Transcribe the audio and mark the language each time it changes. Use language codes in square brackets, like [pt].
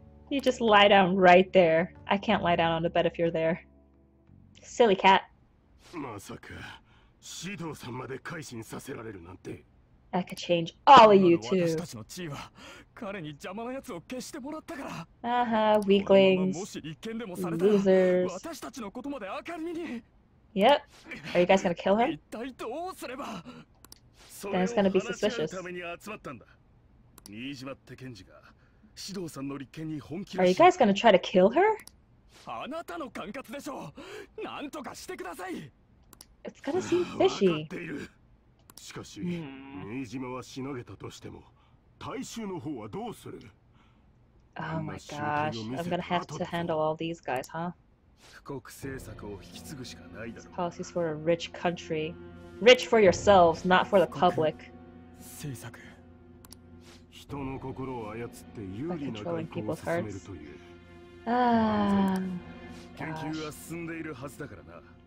[en] You just lie down right there. I can't lie down on the bed if you're there. Silly cat. [ja] まさか。指導さんまで改心させられるなんて。 [en] I could change all of you too. [ja] 私たちの地位は彼に邪魔な奴を消してもらったから。 [en] Weaklings. [ja] もし立件でもされたら、私たちのことまで明るみに。 [en] Yep. Are you guys gonna kill her? [ja] 一体どうすれば。 [en] Then it's gonna be suspicious. [ja] ために集まったんだ。新島って検事が指導さんの立件に本気で。 [en] Are you guys gonna try to kill her? [ja] あなたの管轄でしょう。なんとかしてください。 [en] It's gonna seem fishy. [ja] わかっている。しかし、新島はしのげたとしても、大衆の方はどうする [en] ？Oh my gosh, I'm gonna have to handle all these guys, huh? [ja] 富国政策を引き継ぐしかないだろう。 [en] Policies for a rich country. Rich for yourselves, not for the public. [ja] 政策。人の心を操って有利な外交を進めるという。研究は進んでいるはずだからな。